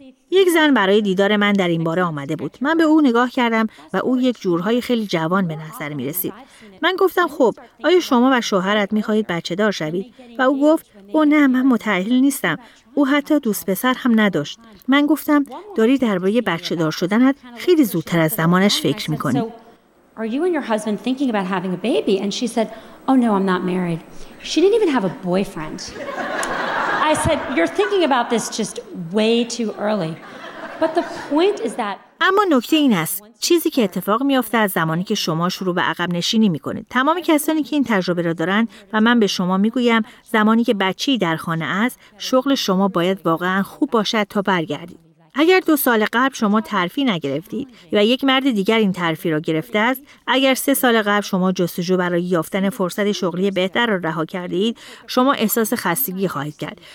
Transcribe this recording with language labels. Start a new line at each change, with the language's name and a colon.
Persian: یک زن برای دیدار من در این باره آمده بود. من به او نگاه کردم و او یک جورهای خیلی جوان به نظر می رسید. من گفتم خب، آیا شما و شوهرت می خواهید بچه دار شوید؟ و او گفت او نه، من متأهل نیستم. او حتی دوست پسر هم نداشت. من گفتم داری درباره بچه دار شدنت خیلی زودتر از زمانش فکر می کنی.
English: Are you and your husband thinking about having a baby? And she said, oh no, I'm not married. She didn't even have a boyfriend. I said, you're thinking about this just way too early. But the point is that...
Persian: اما نکته این است، چیزی که اتفاق میافته از زمانی که شما شروع به عقب نشینی میکنید. تمام کسانی که این تجربه را دارن و من به شما میگویم زمانی که بچه‌ای در خانه است، شغل شما باید واقعا خوب باشد تا برگردید. اگر 2 سال قبل شما ترفیع نگرفتید و یک مرد دیگر این ترفیع را گرفته است، اگر 3 سال قبل شما جستجو برای یافتن فرصت شغلی بهتر را رها کردید، شما احساس خستگی خواهید کرد.